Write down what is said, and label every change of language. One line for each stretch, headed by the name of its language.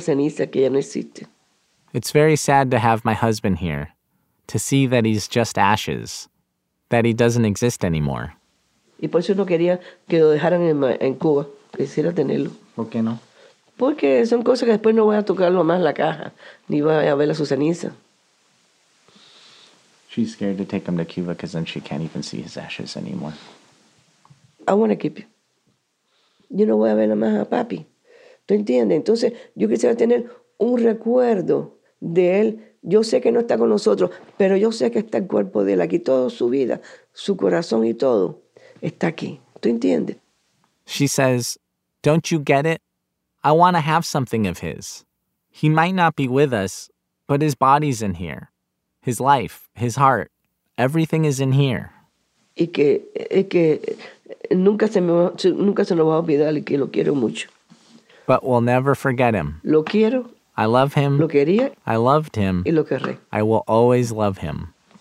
English: It's very sad to have my husband here, to see that he's just ashes, that he doesn't exist anymore.
Spanish: Y por eso no quería que lo dejaran en Cuba. Quisiera tenerlo. ¿Por qué no? Porque son cosas que después no voy a tocarlo más la caja, ni voy a ver a su ceniza.
English: She's scared to take him to Cuba because then she can't even see his ashes anymore. I want to keep you.
Spanish: Yo no voy a ver más a papi. ¿Tú entiendes? Entonces, yo quisiera tener un recuerdo de él. Yo sé que no está con nosotros, pero yo sé que está el cuerpo de él aquí. Toda su vida, su corazón y todo está aquí. ¿Tú entiendes?
English: She says, don't you get it? I want to have something of his. He might not be with us, but his body's in here. His life, his heart, everything is in here.
Spanish: Y que, es que nunca se me va a olvidar y que lo quiero mucho.
English: But we'll never forget him.
Spanish: Lo quiero.
English: I love him.
Spanish: Lo quería.
English: I loved him.
Spanish: Y lo querré.
English: I will always love him.